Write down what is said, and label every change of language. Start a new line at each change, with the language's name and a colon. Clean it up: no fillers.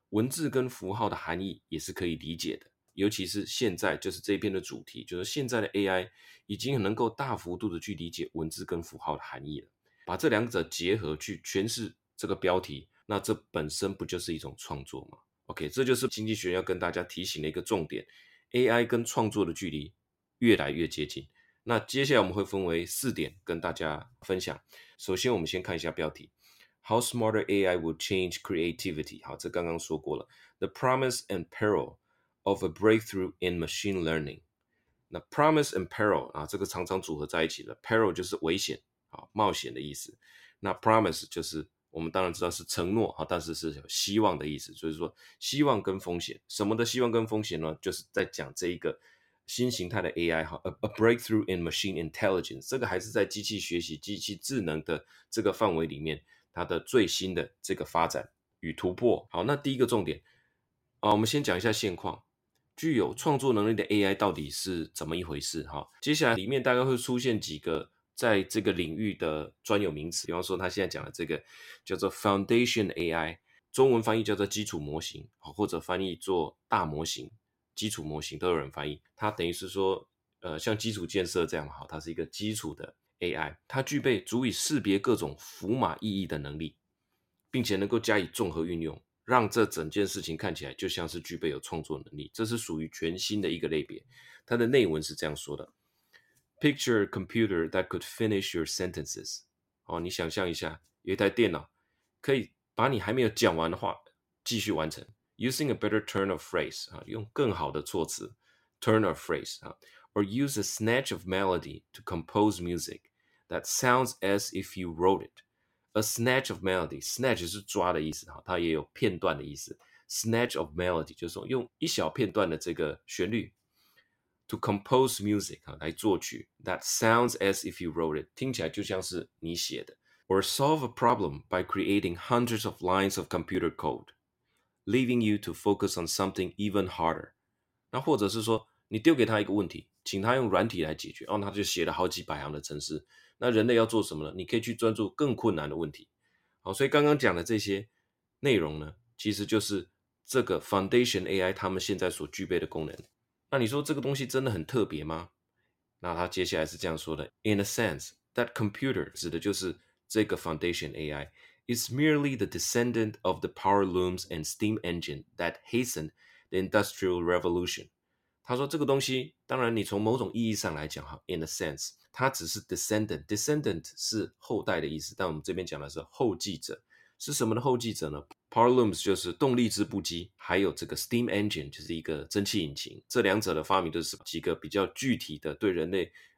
Chinese: 文字跟符号的含义也是可以理解的。尤其是现在，就是这篇的主题，就是现在的 AI 已经很能够大幅度的去理解文字跟符号的含义了。把这两者结合去诠释这个标题，那这本身不就是一种创作吗？ OK， 这就是经济学要跟大家提醒的一个重点， AI 跟创作的距离越来越接近。那接下来我们会分为四点跟大家分享。首先我们先看一下标题，
English: How smarter AI will change creativity。
Chinese: 好，这刚刚说过了，
English: The promise and peril of a breakthrough in machine learning。
Chinese: 那
English: promise and peril
Chinese: 啊，这个常常组合在一起的， peril 就是危险，好，冒险的意思，那 promise 就是我们当然知道是承诺，但是是有希望的意思，所以说希望跟风险，什么的希望跟风险呢？就是在讲这一个新形态的 AI，
English: a breakthrough in machine intelligence，
Chinese: 这个还是在机器学习、机器智能的这个范围里面，它的最新的这个发展与突破。好，那第一个重点，我们先讲一下现况，具有创作能力的 AI 到底是怎么一回事。接下来里面大概会出现几个在这个领域的专有名词，比方说他现在讲的这个叫做 Foundation AI， 中文翻译叫做基础模型，或者翻译做大模型、基础模型都有人翻译。它等于是说像基础建设这样，它是一个基础的 AI， 它具备足以识别各种符码意义的能力，并且能够加以综合运用，让这整件事情看起来就像是具备有创作能力，这是属于全新的一个类别。它的内文是这样说的，
English: Picture a computer that could finish your sentences.
Chinese: 你想象一下，有一台电脑可以把你还没有讲完的话继续完成。
English: Using a better turn of phrase,
Chinese: 用更好的措辞
English: turn of phrase, or use a snatch of melody to compose music that sounds as if you wrote it. A snatch of melody,
Chinese: snatch 是抓的意思，它也有片段的意思。
English: Snatch of melody
Chinese: 就是用一小片段的这个旋律。
English: To compose music,
Chinese: 来作曲
English: that sounds as if you wrote it,
Chinese: 听起来就像是你写的。
English: Or solve a problem by creating hundreds of lines of computer code, leaving you to focus on something even harder.
Chinese: 那或者是说你丢给他一个问题，请他用软体来解决，他就写了好几百行的程式，那人类要做什么呢？你可以去专注更困难的问题。好，所以刚刚讲的这些内容呢，其实就是这个 Foundation AI 他们现在所具备的功能。那你说这个东西真的很特别吗？那他接下来是这样说的
English: In a sense, that computer
Chinese: 指的就是这个
English: Foundation AI is merely the descendant of the power looms and steam engine that hastened the Industrial Revolution.
Chinese: 他说这个东西当然你从某种意义上来讲
English: In a sense,
Chinese: 他只是 descendant Descendant 是后代的意思但我们这边讲的是后继者是什么的后继者呢 Power looms 就是动力织布机还有这个 steam engine 就是一个蒸汽引擎这两者的发明都是几个比较具体的对人类